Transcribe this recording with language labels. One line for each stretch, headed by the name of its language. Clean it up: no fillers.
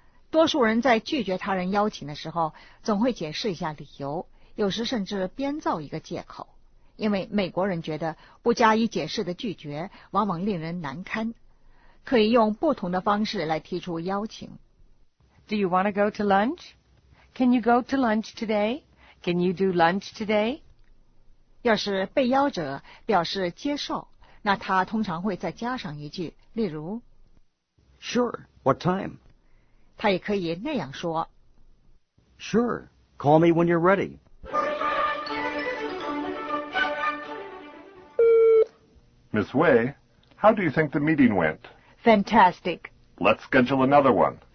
Chinese: 多数人在拒绝他人邀请的时候，总会解释一下理由，有时甚至编造一个借口，因为美国人觉得不加以解释的拒绝往往令人难堪。可以用不同的方式来提出邀请。
English: Do you want to go to lunch? Can you go to lunch today? Can you do lunch today?
Chinese: 要是被邀者表示接受，那他通常会再加上一句，例如
English: Sure, what time?
Chinese: 他也可以那样说
English: Sure, call me when you're ready. Miss Wei, how do you think the meeting went? Fantastic. Let's schedule another one.